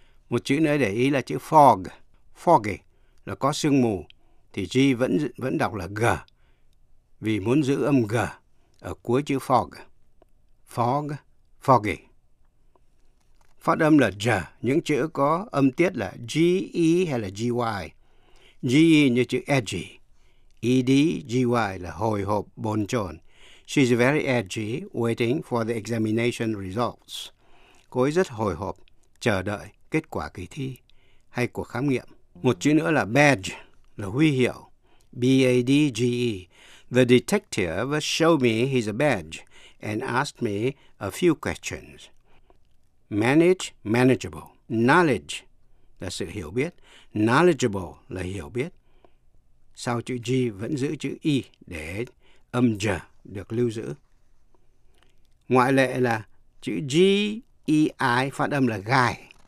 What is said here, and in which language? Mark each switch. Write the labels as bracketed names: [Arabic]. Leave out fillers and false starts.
[Vietnamese] Một chữ nữa để ý là chữ fog, foggy, là có sương mù, thì G vẫn đọc là G, vì muốn giữ âm G ở cuối chữ fog. Fog, foggy. Phát âm là G, những chữ có âm tiết là G-E hay là G-Y. G-E như chữ edgy, E-D-G-Y là hồi hộp, bồn chồn. [English] She's very edgy, waiting for the examination results. [Vietnamese] Cô ấy rất hồi hộp, chờ đợi kết quả kỳ thi hay cuộc khám nghiệm. Một chữ nữa là badge, là huy hiệu, B-A-D-G-E. [English] The detective showed me his badge and asked me a few questions. Manage, manageable. [Vietnamese] Knowledge là sự hiểu biết. Knowledgeable là hiểu biết. Sau chữ G vẫn giữ chữ I để âm J được lưu giữ. Ngoại lệ là chữ G-E-I phát âm là guy.